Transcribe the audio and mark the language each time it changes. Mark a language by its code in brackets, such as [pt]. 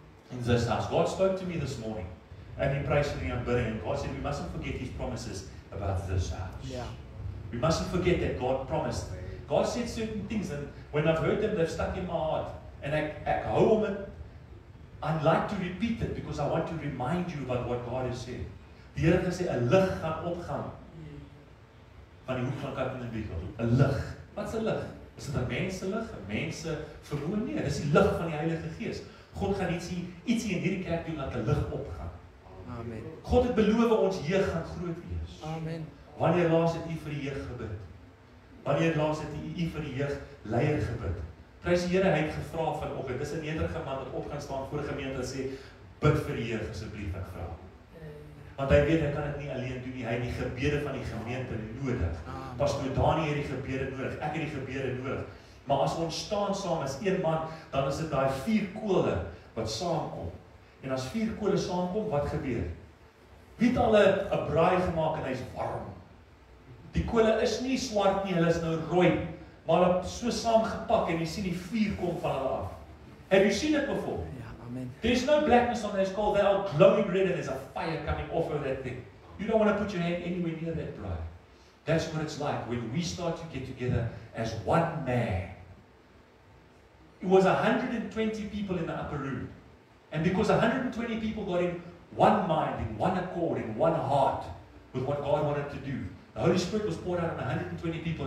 [en] In this house. God spoke to me this morning. And he prays for me and bidding. And God said, we mustn't forget his promises about this house. Yeah. We mustn't forget that God promised. God said certain things and when I've heard them, they've stuck in my heart. And [af] ek hou om dit. [en] I'd like to repeat it because I want to remind you about what God has said. [af] Die Here het gesê, 'n lig gaan opgaan. Van die hoek van kant in die bietel. 'n lig. Wat 'n lig? Is dit 'n mens se lig? 'N mens se vermoë? Nee, dis die lig van die Heilige Gees. God gaan ietsie in hierdie kerk doen dat 'n lig opgaan. Amen. God het beloof ons jeug gaan groot wees. Amen. Wanneer laas het u vir die jeug gebid? Wanneer laas het u vir die jeug leier gebid? Prys die Here, hy het gevra vanoggend. Dis 'n nederige man wat opgaan staan voor gemeente en sê, "Bid vir die jeug asseblief, ek vra." Want hy weet hy kan dit nie alleen doen nie. Hy het die gebede van die gemeente nodig. Pastoor Dani het die gebede nodig. Ek het die gebede nodig. Maar as ons staan saam as een man, dan is dit daai vier kole wat saamkom. En as vier kole saamkom, wat gebeur? Wie het al 'n braai gemaak en hy's warm? Die kole is nie swart nie, hulle is nou rooi. Maar hulle so saamgepak en jy sien die vuur kom van hulle af. [en] Have you seen it before? [af] Ja, amen. [en] There's no blackness on this coal, they're all glowing red and there's a fire coming off of that thing. You don't want to put your hand anywhere near that braai. That's what it's like when we start to get together as one man. It was 120 people in the upper room. And because 120 people got in one mind, in one accord, in one heart with what God wanted to do, the Holy Spirit was poured out on 120 people.